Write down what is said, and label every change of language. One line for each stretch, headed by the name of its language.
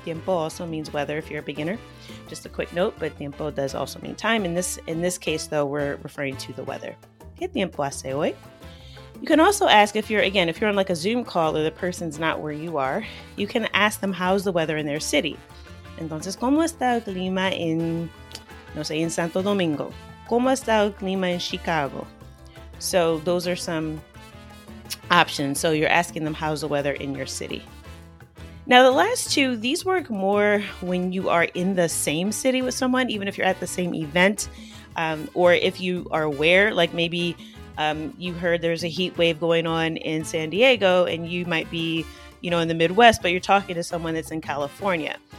English: Tiempo also means weather if you're a beginner. Just a quick note, but tiempo does also mean time. In this case, though, we're referring to the weather.
Spanish: ¿Qué tiempo hace hoy?
English: You can also ask if you're on like a Zoom call or the person's not where you are, you can ask them how's the weather in their city.
Spanish: Entonces, ¿cómo está el clima en, no sé, en Santo Domingo? ¿Cómo está el clima en Chicago?
English: So those are some options. So you're asking them how's the weather in your city. Now the last two, these work more when you are in the same city with someone, even if you're at the same event, or if you are aware, like maybe you heard there's a heat wave going on in San Diego and you might be, you know, in the Midwest, but you're talking to someone that's in California.